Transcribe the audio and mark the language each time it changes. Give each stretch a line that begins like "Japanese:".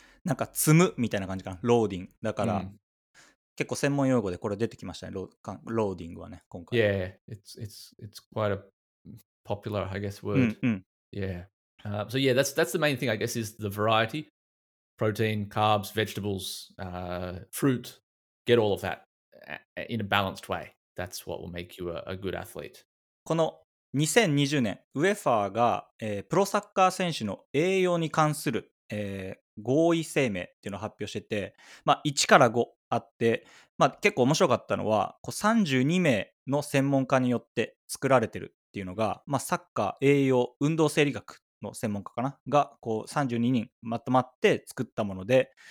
Japanese: なんか積むみたいな感じかな、ローディング。だから、結構専門用語でこれ出てきましたね、ローディングはね、今回。
English: Yeah, it's quite a popular, I guess, word. So yeah, that's the main thing, I guess, is the variety. Protein, carbs, vegetables, fruit, get all of that in a balanced way. That's what will make you a good athlete.
Japanese: この2020年、UEFA が、プロサッカー選手の栄養に関する、合意声明っていうのを発表してて、まあ、1から5あって、まあ、結構面白かったのは、こう32名の専門家によって作られてるっていうのが、まあ、サッカー栄養運動生理学の専門家かながこう32人まとまって作ったもので、